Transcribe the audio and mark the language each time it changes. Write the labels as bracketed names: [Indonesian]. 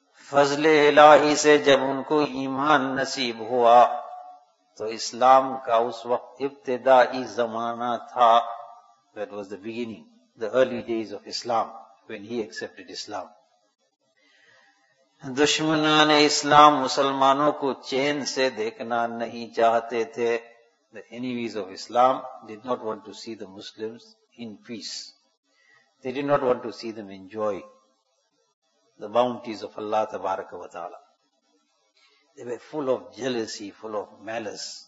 [Urdu] فضل الہی سے جب ان کو ایمان نصیب ہوا تو اسلام کا اس وقت ابتدائی زمانہ تھا. [English] That was the beginning, the early days of Islam, when he accepted Islam. دشمنان اسلام مسلمانوں کو چین سے دیکھنا نہیں چاہتے تھے. The enemies of Islam did not want to see the Muslims in peace. They did not want to see them enjoy the bounties of Allah tabaraka wa ta'ala. They were full of jealousy, full of malice.